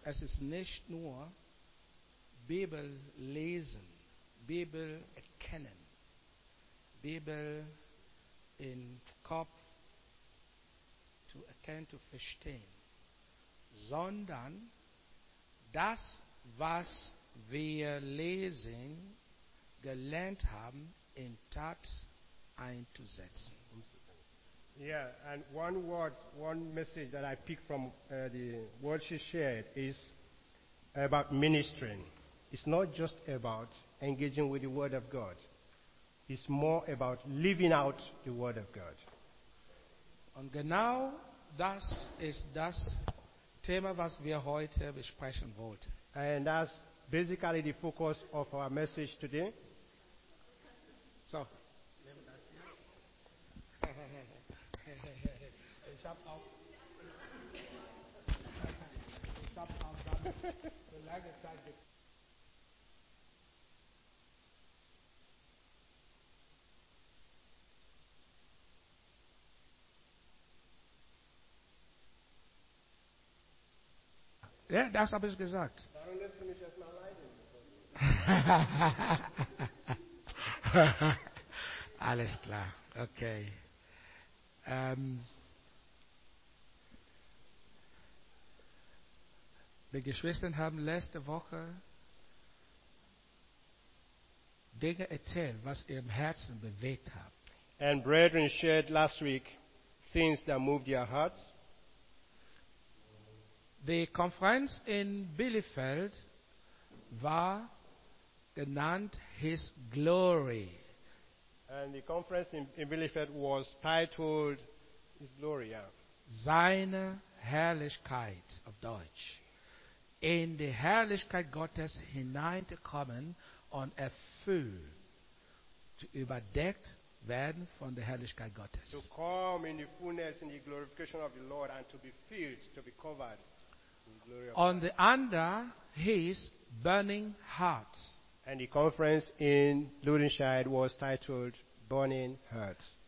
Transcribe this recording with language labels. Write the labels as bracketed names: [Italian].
[German] Es ist nicht nur Bibel lesen, Bibel erkennen, Bibel in Kopf zu erkennen, zu verstehen, sondern das, was wir lesen, gelernt haben, in Tat einzusetzen. [English] Yeah, and one word, one message that I picked from the word she shared is about ministering. It's not just about engaging with the Word of God. It's more about living out the Word of God. [German] Und genau das ist das Thema, was wir heute besprechen wollten. [English] And that's basically the focus of our message today. So. [German] Ja, das habe ich gesagt. Warum lässt du mich erst mal leiden? Alles klar, okay. Die Geschwister haben letzte Woche Dinge erzählt, was ihr im Herzen bewegt hat. [English] And brethren shared last week things that moved your hearts. [German] Die Konferenz in Bielefeld war genannt His Glory. [English] And the conference in Bielefeld was titled His Glory, yeah. [German] Seine Herrlichkeit auf Deutsch. In die Herrlichkeit Gottes hineinzukommen und erfüllt, zu überdeckt werden von der Herrlichkeit Gottes. [English] To come in the fullness, in the glorification of the Lord and to be filled, to be covered. On the under his burning heart. And the conference in Ludenscheid was titled Burning Heart.